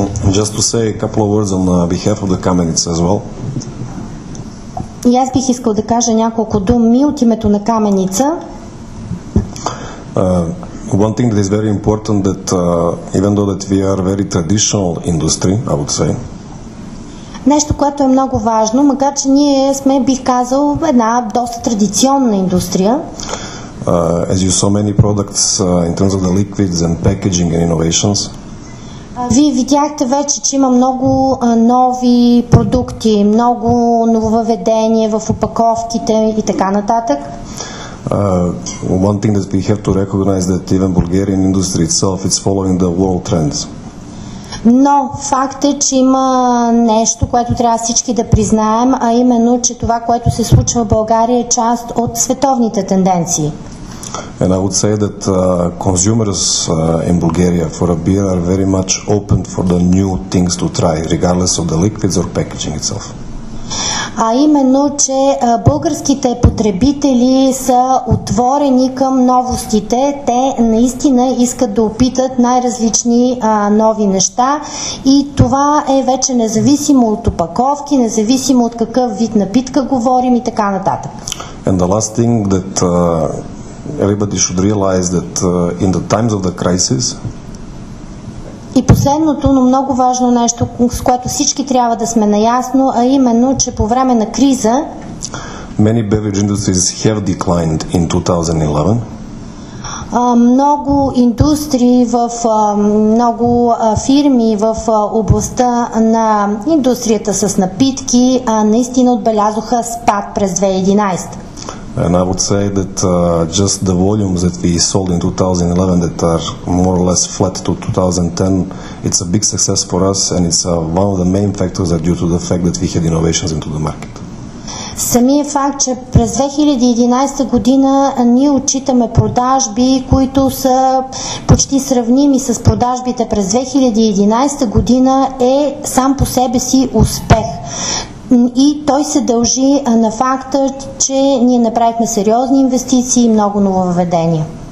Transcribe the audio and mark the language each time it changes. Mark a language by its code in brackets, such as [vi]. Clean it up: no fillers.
[en] Just to say a couple of words on behalf of the Каменица as well. [bg] И аз бих искал да кажа няколко думи от името на Каменица. [en] One thing that is very important that even though that we are very traditional industry, I would say. [bg] Нещо, което е много важно, макар че ние сме, бих казал, една доста традиционна индустрия. [en] As you saw many products in terms of the liquids and packaging and innovations. [bg] Вие видяхте вече, че има много нови продукти, много нововъведения в опаковките и така нататък. [en] One thing that we have to recognize that even Bulgarian industry itself is following the world trends. [bg] Но факт е, че има нещо, което трябва всички да признаем, а именно, че това, което се случва в България е част от световните тенденции. [en] And I would say that consumers in Bulgaria for a beer are very much open for the new things to try, regardless of the liquids or packaging itself. [bg] А именно, че българските потребители са отворени към новостите. Те наистина искат да опитат най-различни нови неща и това е вече независимо от опаковки, независимо от какъв вид напитка говорим и така нататък. [en] And the last thing that everybody should realize that in the times of the crisis. [bg] И последното, но много важно нещо, с което всички трябва да сме наясно, а именно, че по време на криза [en] many beverage industries have declined in 2011. [bg] Много индустрии в много фирми в областта на индустрията с напитки наистина отбелязоха спад през 2011. [en] And I would say that just the volumes that we sold in 2011 that are more or less flat to 2010, it's a big success for us and it's one of the main factors are due to the fact that we had innovations into the market. [bg] Самия факт, че през 2011 година ние отчитаме продажби, които са почти сравними с продажбите през 2011 година, е сам по себе си успех. И той се дължи на факта, че ние направихме сериозни инвестиции и много нововъведения.